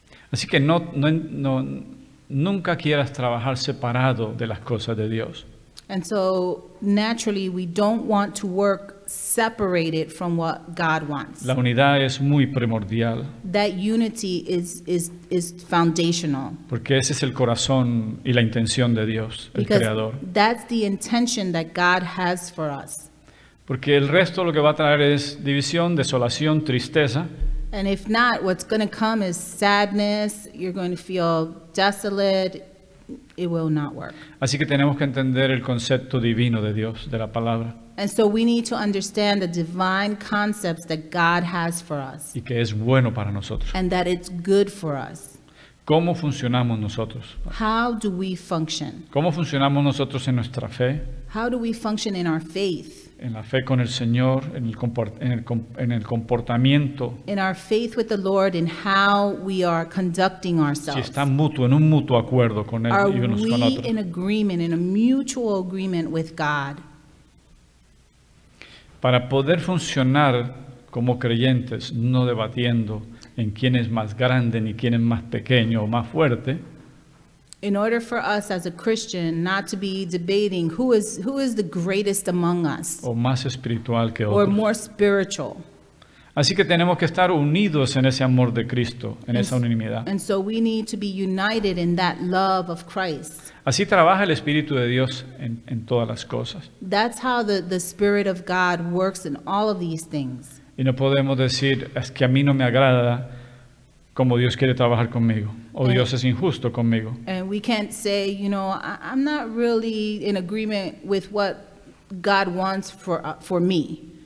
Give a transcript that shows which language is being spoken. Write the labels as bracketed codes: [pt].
[es] Así que no nunca quieras trabajar separado de las cosas de Dios. [en] And so naturally we don't want to work separated from what God wants. [es] La unidad es muy primordial. [en] That unity is foundational. [es] Porque ese es el corazón y la intención de Dios, el Creador. [en] Because that's the intention that God has for us. [es] Porque el resto lo que va a traer es división, desolación, tristeza. [en] And if not, what's going to come is sadness. You're going to feel desolate. It will not work. [es] Así que tenemos que entender el concepto divino de Dios, de la palabra. [en] And so we need to understand the divine concepts that God has for us. [es] Y que es bueno para nosotros. [en] And that it's good for us. [es] ¿Cómo funcionamos nosotros? [en] How do we function? [es] ¿Cómo funcionamos nosotros en nuestra fe? [en] How do we function in our faith? [es] En la fe con el Señor, en el comportamiento. [en] In our faith with the Lord, in how we are conducting ourselves. [es] Si está mutuo, en un mutuo acuerdo con Él [en] are [es] y unos [en] we [es] con otros. [en] In agreement, in a mutual agreement with God? [es] Para poder funcionar como creyentes, no debatiendo en quién es más grande ni quién es más pequeño o más fuerte. [en] In order for us as a Christian not to be debating who is the greatest among us. [es] O más espiritual que otros. [en] Or more spiritual. [es] Así que tenemos que estar unidos en ese amor de Cristo, en esa unanimidad. [en] And so we need to be united in that love of Christ. [es] Así trabaja el Espíritu de Dios en todas las cosas. [en] That's how the Spirit of God works in all of these things. [es] Y no podemos decir, es que a mí no me agrada como Dios quiere trabajar conmigo. O Dios es injusto conmigo. [en] And we can't say, you know, I'm not really in agreement with what God wants for me.